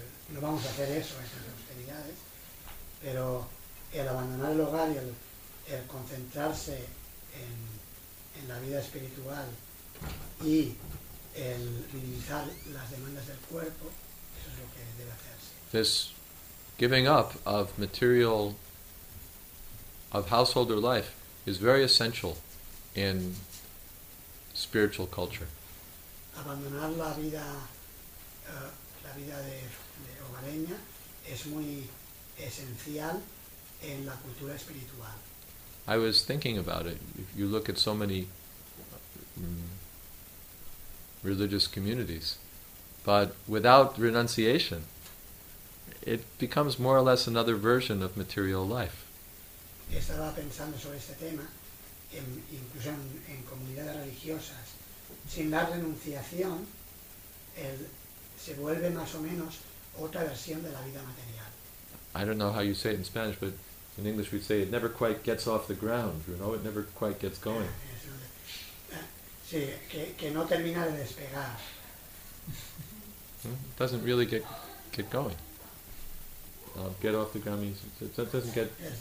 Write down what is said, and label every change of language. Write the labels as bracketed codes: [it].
[es] No vamos a hacer eso, esas austeridades, pero el abandonar el hogar y el concentrarse en la vida espiritual y el minimizar las demandas del cuerpo, eso es lo que debe hacerse. [en] This giving up of material, of householder life, is very essential in spiritual culture. [es] Abandonar la vida de hogareña es muy esencial en la cultura espiritual. [en] I was thinking about it. If you look at so many religious communities, but without renunciation, it becomes more or less another version of material life. [es] Estaba pensando sobre este tema, incluso en comunidades religiosas, sin la renunciación, se vuelve más o menos otra versión de la vida material. [en] I don't know how you say it in Spanish, but in English we'd say it never quite gets off the ground, you know, it never quite gets going. [es] Sí, que no termina de despegar. [en] It doesn't really get going. Get off the ground means it doesn't get...